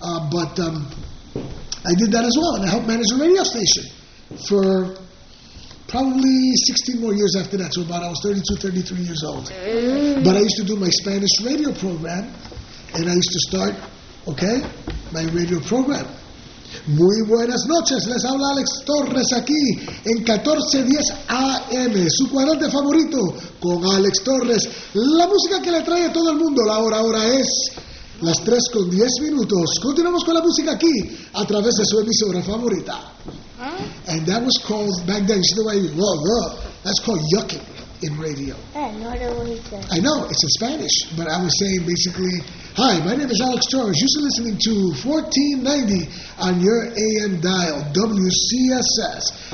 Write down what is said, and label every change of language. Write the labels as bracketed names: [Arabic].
[English] But I did that as well, and I helped manage a radio station for probably 16 more years after that. So about I was 32, 33 years old. But I used to do my Spanish radio program, and I used to start, okay, my radio program. [Spanish] Muy buenas noches, les habla Alex Torres aquí en 1410 AM, su cuadrante favorito con Alex Torres. La música que le trae a todo el mundo, la hora ahora es las 3 con 10 minutos. Continuamos con la música aquí a través de su emisora favorita. Huh? [English] And that was called, back then, you know what I mean? That's called yucking in radio. I know, it's in Spanish, but I was saying basically, hi, my name is Alex Torres. You're listening to 1490 on your AM dial, WCSS.